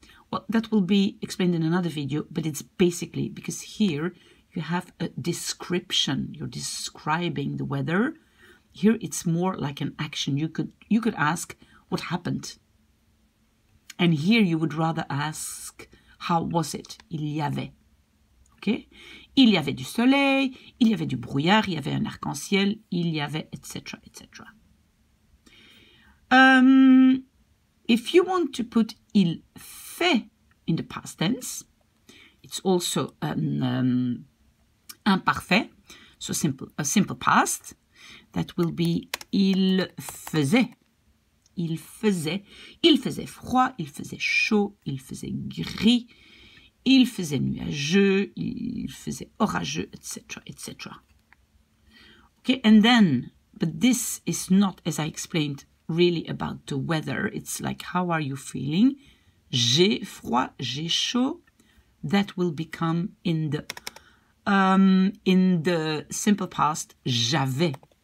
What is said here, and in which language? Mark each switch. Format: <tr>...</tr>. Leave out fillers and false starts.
<en>Well, that will be explained in another video, but it's basically because here you have a description, you're describing the weather. Here it's more like an action. You could ask what happened, and here you would rather ask how was it.</en> <fr>Il y avait, okay, il y avait du soleil, il y avait du brouillard, il y avait un arc-en-ciel, il y avait, etc, etc.</fr> <en>If you want to put il fait in the past tense, it's also an imparfait, so simple, a simple past, that will be il faisait. Il faisait.</en> <fr>Il faisait froid, il faisait chaud, il faisait gris, il faisait nuageux, il faisait orageux, etc, etc.</fr> <en>Okay, and then, but this is not, as I explained, really about the weather. It's like, how are you feeling?</en> <fr>J'ai froid, j'ai chaud.</fr> <en>That will become in the In the simple past, j'avais.</en>